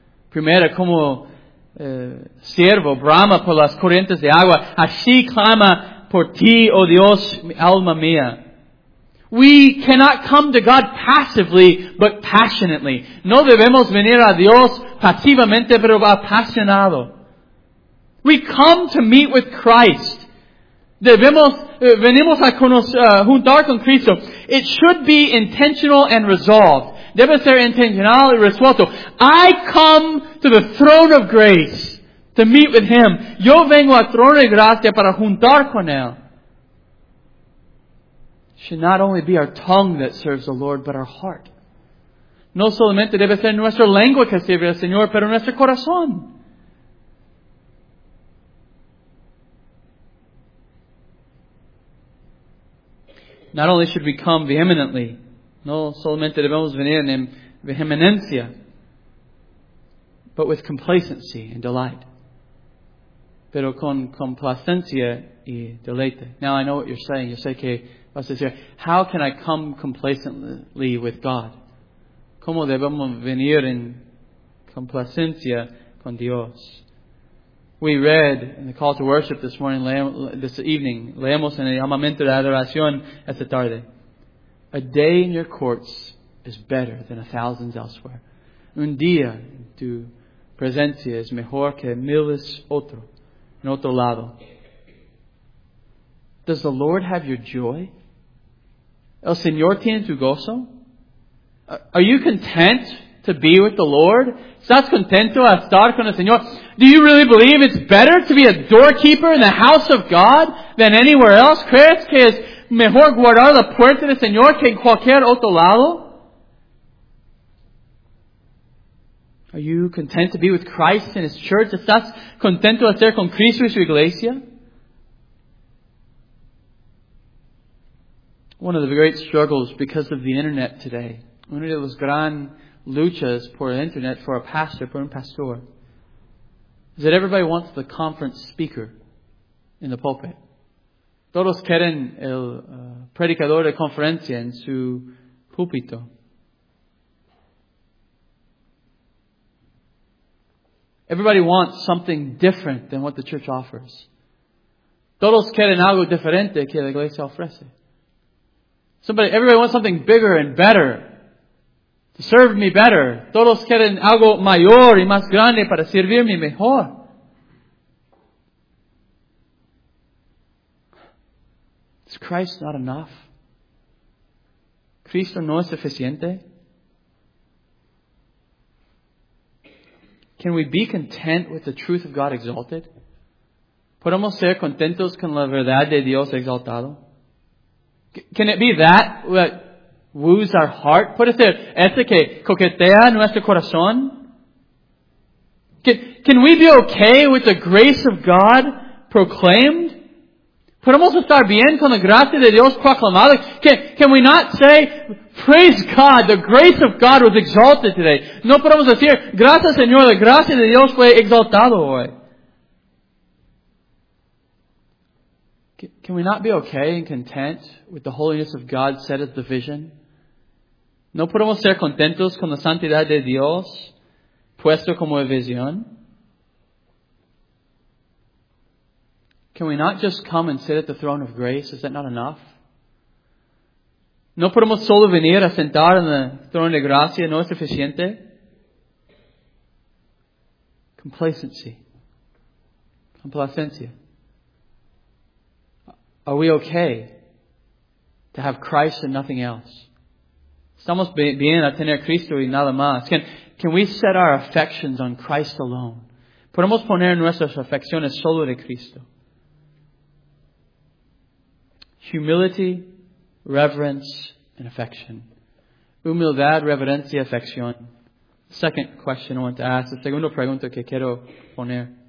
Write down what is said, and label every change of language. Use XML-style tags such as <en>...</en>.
<es>Primera, como siervo, brama por las corrientes de agua, así clama por ti, oh Dios, alma mía.</es> <en>We cannot come to God passively, but passionately.</en> <es>No debemos venir a Dios pasivamente, pero apasionado.</es> <en>We come to meet with Christ.</en> <es>Venimos a juntar con Cristo.</es> <en>It should be intentional and resolved.</en> <es>Debe ser intencional y resuelto.</es> <en>I come to the throne of grace to meet with Him.</en> <es>Yo vengo al trono de gracia para juntar con Él.</es> <en>Should not only be our tongue that serves the Lord, but our heart.</en> <es>No solamente debe ser nuestra lengua que sirve al Señor, pero nuestro corazón.</es> <en>Not only should we come vehemently,</en> <es>no solamente debemos venir en vehemencia,</es> <en>but with complacency and delight.</en> <es>Pero con complacencia y deleite.</es> <en>Now I know what you're saying. You say</en> <es>que vas a decir,</es> <en>how can I come complacently with God?</en> <es>¿Cómo debemos venir en complacencia con Dios?</es> <en>we read in the call to worship this morning, this evening,</en> <es>leemos en el llamamiento de adoración esta tarde.</es> <en>A day in your courts is better than a thousand elsewhere.</en> <es>Un día en tu presencia es mejor que mil es otro, en otro lado.</es> <en>Does the Lord have your joy?</en> <es>El Señor tiene tu gozo?</es> <en>Are you content to be with the Lord?</en> <es>¿Estás contento a estar con el Señor?</es> <en>Do you really believe it's better to be a doorkeeper in the house of God than anywhere else?</en> <es>¿Crees que es mejor guardar la puerta del Señor que en cualquier otro lado?</es> <en>Are you content to be with Christ and His church?</en> <es>¿Estás contento a estar con Cristo y su iglesia?</es> <en>One of the great struggles because of the internet today,</en> <es>uno de los gran luchas por el internet</es> <en>for a pastor,</en> <es>por un pastor,</es> <en>is that everybody wants the conference speaker in the pulpit.</en> <es>Todos quieren el predicador de conferencia en su púlpito.</es> <en>Everybody wants something different than what the church offers.</en> <es>Todos quieren algo diferente que la iglesia ofrece.</es> <en>Everybody wants something bigger and better to serve me better.</en> <es>Todos quieren algo mayor y más grande para servirme mejor.</es> <en>Is Christ not enough?</en> <es>¿Cristo no es suficiente?</es> <en>Can we be content with the truth of God exalted?</en> <es>¿Podemos ser contentos con la verdad de Dios exaltado?</es> <en>Can it be that that woos our heart?</en> <es>¿Puede ser ese que coquetea nuestro corazón?</es> <en>Can we be okay with the grace of God proclaimed?</en> <es>¿Podemos estar bien con la gracia de Dios proclamada?</es> <en>Can we not say, praise God, the grace of God was exalted today?</en> <es>No podemos decir, gracias Señor, la gracia de Dios fue exaltado hoy.</es> <en>Can we not be okay and content with the holiness of God set as the vision?</en> <es>¿No podemos ser contentos con la santidad de Dios puesto como visión?</es> <en>Can we not just come and sit at the throne of grace? Is that not enough?</en> <es>¿No podemos solo venir a sentar en el trono de gracia? ¿No es suficiente?</es> <en>Complacency. Complacencia. Are we okay to have Christ and nothing else?</en> <es>¿Estamos bien a tener Cristo y nada más?</es> <en>Can we set our affections on Christ alone?</en> <es>¿Podemos poner nuestras afecciones solo de Cristo?</es> <en>Humility, reverence, and affection.</en> <es>Humildad, reverencia, afección.</es> <en>Second question I want to ask,</en> <es>la segunda pregunta que quiero poner.</es>